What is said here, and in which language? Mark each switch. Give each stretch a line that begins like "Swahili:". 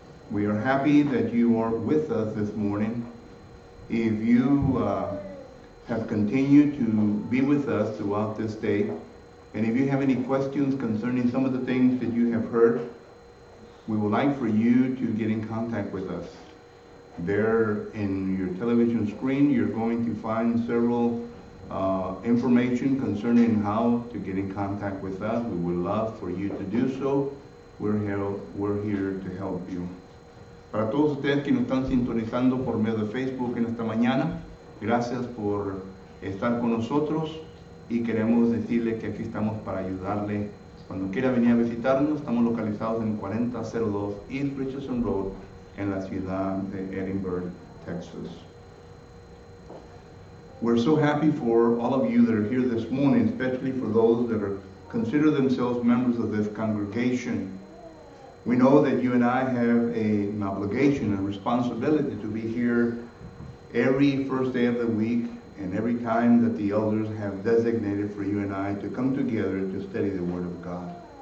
English: We are happy that you are with us this morning. If you have continued to be with us throughout this day, and if you have any questions concerning some of the things that you have heard, we would like for you to get in contact with us. There in your television screen, you're going to find several information concerning how to get in contact with us. We would love for you to do so. We're here to help you.
Spanish: Para todos ustedes que nos están sintonizando por medio de Facebook en esta mañana, gracias por estar con nosotros, y queremos decirle que aquí estamos para ayudarle. Cuando quiera venir a visitarnos, estamos localizados en 4002 East Richardson Road, en la ciudad de Edinburgh, Texas.
English: We're so happy for all of you that are here this morning, especially for those that are consider themselves members of this congregation. We know that you and I have an obligation, a responsibility to be here every first day of the week and every time that the elders have designated for you and I to come together to study the Word of God.